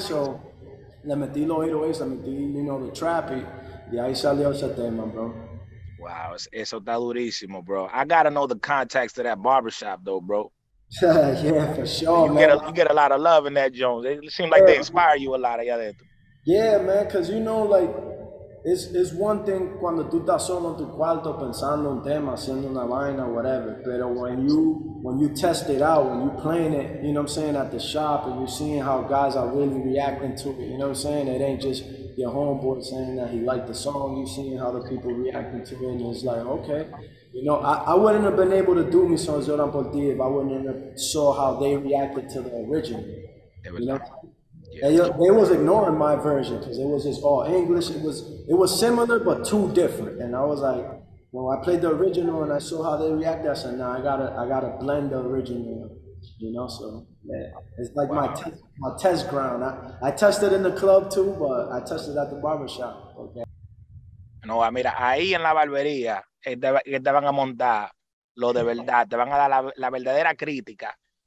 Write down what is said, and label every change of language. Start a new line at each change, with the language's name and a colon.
Spanish: So, le metí los 808s, le metí,
English: the trap,
Spanish: y ahí salió ese tema, bro. Wow, eso está durísimo,
English: bro. I gotta know the context of that barbershop, though, bro. Yeah, for sure, You get man. a lot of love in that Jones. It seems like they Yeah, inspire you a lot of y'all. man, because, like,
Spanish: Es
English: one thing
Spanish: cuando tú estás solo en tu cuarto pensando un tema, haciendo una vaina,
English: whatever.
Spanish: Pero
English: when you test it out, when you playing it, you know what I'm saying, at the shop, and you seeing how guys are really reacting to it, you know what I'm saying? It ain't just your homeboy saying that he liked the song. You seeing how the people reacting to it, and it's like, okay. You know, I wouldn't have been able to do Mi Son Lloran Por Ti if I wouldn't have saw how they reacted to the original. You know? They was ignoring my version because it was just all English. It was similar but too different. And I was like, well, I played the original and I saw how they reacted. I said, nah, I gotta blend the original. You know, so yeah, it's like wow. my test ground. I tested in the club too, but I tested at the barbershop. Okay.
Spanish: No, mira, ahí en la barbería te van a montar lo de verdad, te van a dar la verdadera crítica.